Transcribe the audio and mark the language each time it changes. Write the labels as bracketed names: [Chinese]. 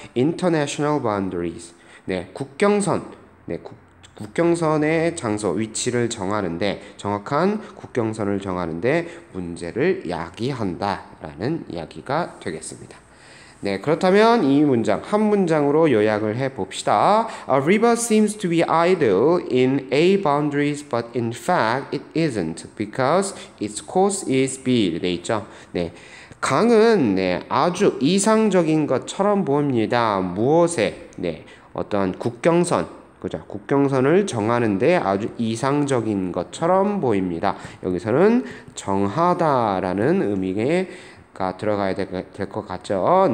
[Korean] International boundaries. 네, 국경선. 네, 국경선의 장소, 위치를 정하는데, 정확한 국경선을 정하는데, 문제를 야기한다라는 이야기가 되겠습니다. 네, 그렇다면 이 문장, 한 문장으로 요약을 해봅시다. [English] A river seems to be idle in A boundaries, but in fact it isn't because its course is B. [Korean] 네, 있죠? 네. 강은 네, 아주 이상적인 것처럼 보입니다. 무엇에? 네, 어떤 국경선. 그죠? 국경선을 정하는데 아주 이상적인 것처럼 보입니다. 여기서는 정하다라는 의미가 들어가야 될것 같죠?